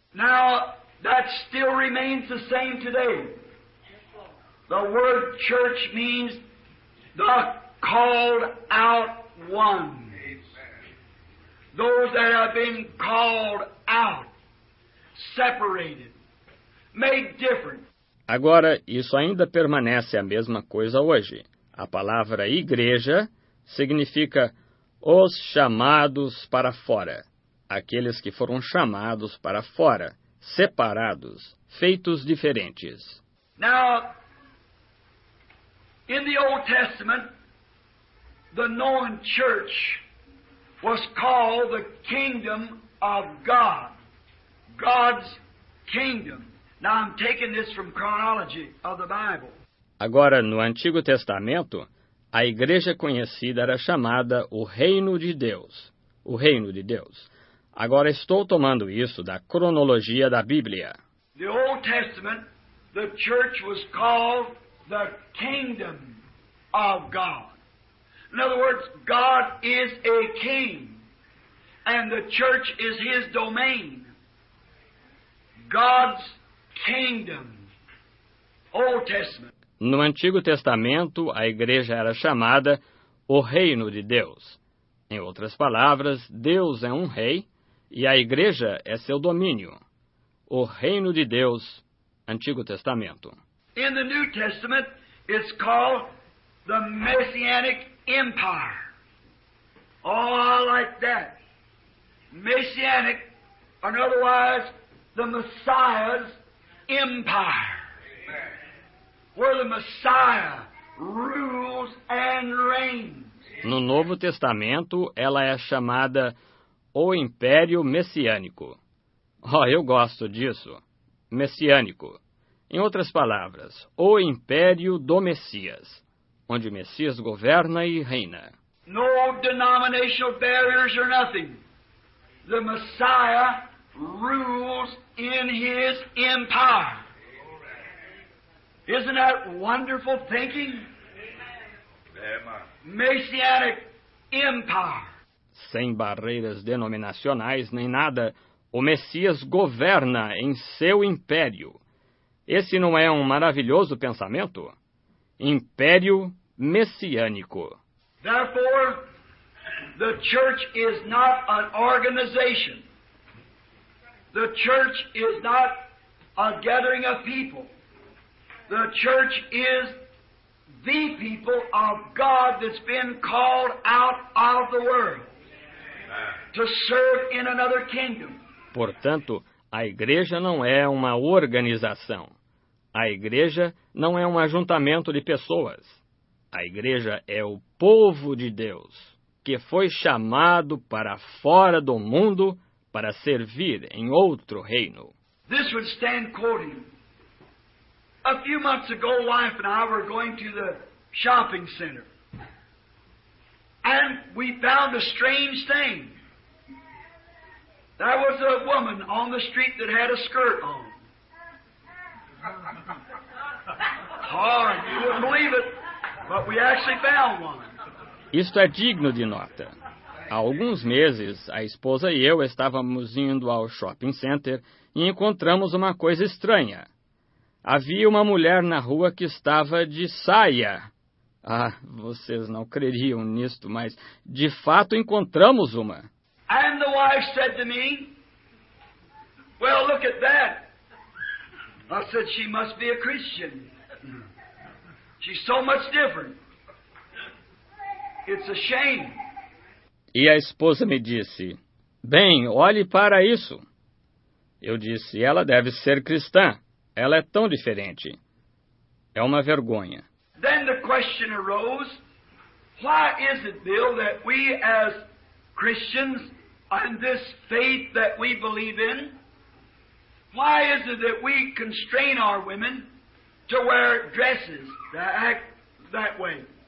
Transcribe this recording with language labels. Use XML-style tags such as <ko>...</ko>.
<en>Now, that still remains the same today. The word church means the called out ones. Those that have been called out, separated, made different.</en> <pt>Agora, isso ainda permanece a mesma coisa hoje. A palavra igreja significa os chamados para fora, aqueles que foram chamados para fora, separados, feitos diferentes.</pt> <en>Now, in the Old Testament, the known church was called the kingdom of God, God's kingdom. Now I'm taking this from chronology of the Bible.</en> <pt>Agora, no Antigo Testamento, a igreja conhecida era chamada o Reino de Deus. O Reino de Deus. Agora estou tomando isso da cronologia da Bíblia.</pt> <en>The Old Testament, the church was called the kingdom of God. In other words, God is a king, and the church is his domain. God's Kingdom, Old Testament.</en> <pt>No Antigo Testamento, a igreja era chamada o Reino de Deus. Em outras palavras, Deus é um rei e a igreja é seu domínio. O Reino de Deus, Antigo Testamento.</pt> <en>In the New Testament, it's called the Messianic Empire. Oh, I like that. Messianic, or otherwise, the Messiah's Empire, where the Messiah rules and reigns.</en> <pt>No Novo Testamento, ela é chamada o Império Messiânico. Oh, eu gosto disso. Messiânico. Em outras palavras, o Império do Messias, onde Messias governa e reina.</pt> <en>No denominational barriers or nothing. The Messiah rules in his empire. Isn't that wonderful thinking? Messianic empire.</en> <pt>Sem barreiras denominacionais nem nada, o Messias governa em seu império. Esse não é um maravilhoso pensamento? Império messiânico.</pt> <en>Therefore, the church is not an organization. The church is not a gathering of people. The church is the people of God that's been called out of the world to serve in another kingdom.</en> <pt>Portanto, A igreja não é uma organização. A igreja não é um ajuntamento de pessoas. A igreja é o povo de Deus, que foi chamado para fora do mundo para servir em outro reino.</pt> <en>This would stand quoting. A few months ago, wife and I were going to the shopping center. And we found a strange thing. There was a woman on the street that had a skirt on. Oh, you wouldn't believe it, but we actually found one.</en> <pt>Isto é digno de nota. Há alguns meses, a esposa e eu estávamos indo ao shopping center e encontramos uma coisa estranha. Havia uma mulher na rua que estava de saia. Ah, vocês não creriam nisto, mas de fato encontramos uma.</pt> <en>And the wife said to me, "Well, look at that." I said, "She must be a Christian. She's so much different. It's a shame."</en> <pt>E a esposa me disse, "Bem, olhe para isso." Eu disse, "Ela deve ser cristã. Ela é tão diferente. É uma vergonha."</pt> <en>Then the question arose, why is it, Bill, that we as Christians and this faith that we believe in, why is it that we constrain our women to wear dresses that act that way?</en>